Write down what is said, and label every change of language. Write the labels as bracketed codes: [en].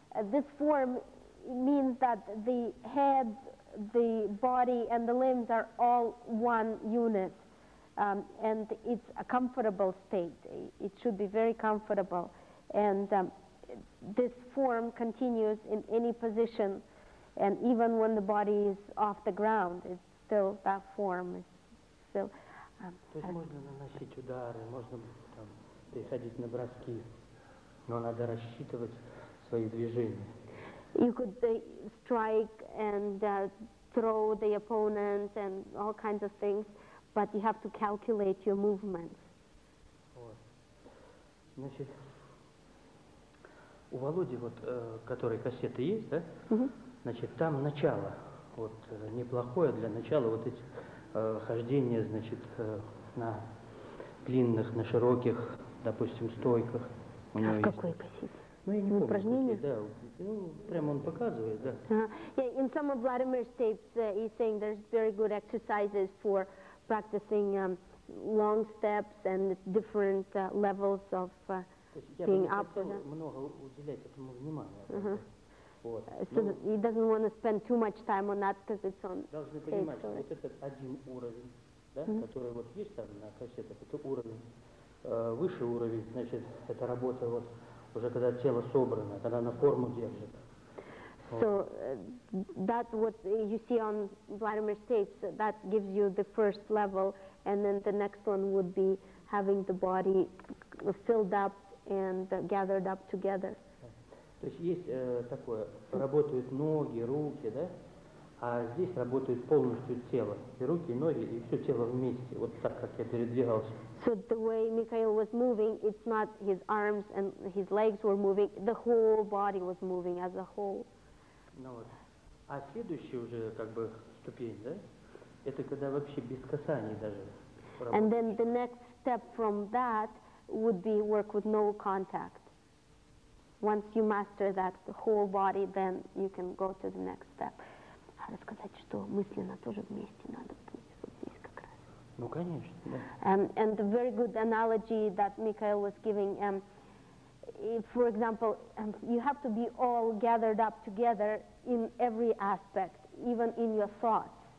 [en] This form means that the head, the body, and the limbs are all one unit, and it's a comfortable state. It should be very comfortable. And this form continues in any position, and even when the body is off the ground, it's still that form. So, [ru] то есть можно наносить удары, можно там переходить на броски, но надо рассчитывать свои движения. [en] You could strike and throw the opponent and all kinds of things, but you have to calculate your movements. [ru] Значит, у Володи, вот, который кассеты есть, да? Mm-hmm. Значит, там начало, вот, неплохое для начала, вот эти хождения, значит, на длинных, на широких, допустим, стойках. У него в какой кассете? Ну, я не помню, упражнение? Да. Ну, прямо он показывает, да. [en] Uh-huh. Yeah, in some of Vladimir's tapes, he's saying there's very good exercises for practicing long steps and different levels of being up. [ru] То есть я бы не хотел много уделять этому внимания. Uh-huh. Вот. [en] So he doesn't want to spend too much time on that, because it's on tape. [ru] Должны понимать, что вот этот один уровень, да, mm-hmm. который вот есть там на кассетах, это уровень, выше уровень, значит, это работа вот, уже когда тело собрано, когда оно форму держит. [en] So that what you see on Vladimir's tapes, that gives you the first level, and then the next one would be having the body filled up and gathered up together. [ru] То есть есть такое, работают ноги, руки, да? А здесь работает полностью тело, и руки, и ноги, и все тело вместе, вот так, как я передвигался. [en] So the way Mikhail was moving, it's not his arms and his legs were moving, the whole body was moving as a whole. [ru] Ну вот. А следующая уже как бы ступень, да? Это когда вообще без касаний даже работаешь. [en] And then the next step from that would be work with no contact. Once you master that whole body, then you can go to the next step. [ru] Рассказать, что мысленно тоже вместе надо быть. Ну, конечно, да. [en] And the very good analogy that Mikhail was giving, if, for example, you have to be all gathered up together in every aspect, even in your thoughts.